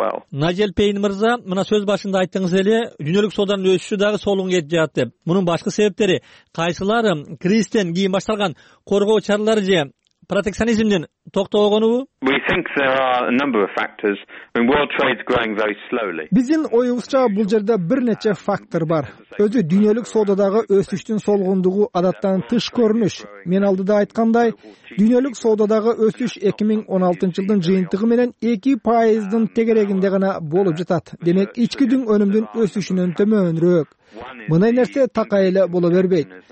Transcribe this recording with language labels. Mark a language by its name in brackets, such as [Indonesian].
[Kyrgyz] Нажел Пейн мырза, мына сөз башында айттыңыз эле, дүйнөлүк сооданын өсүшү дагы солуң кетип жатат деп. Мунун башкы себептери кайсылар? Кризистен кийин башталган коргоо чаралары же протекционизмдин токтогонубу? [English] We think there are a number of factors. World trade is growing very slowly. [Kyrgyz] Биздин оюбузча бул жерде бир нече фактор бар. Өзү дүйнөлүк соодадагы өсүштүн солгондугу адаттан тыш көрүнүш. Мен алдыда айткандай, дүйнөлүк соодадагы өсүш 2016 жылдын жыйынтыгы менен 2%дын тегерегинде гана болуп жатат. Демек, ички өнүмдүн өсүшүнөн төмөнүрөөк. Мындай нерсе такай эле боло бербейт.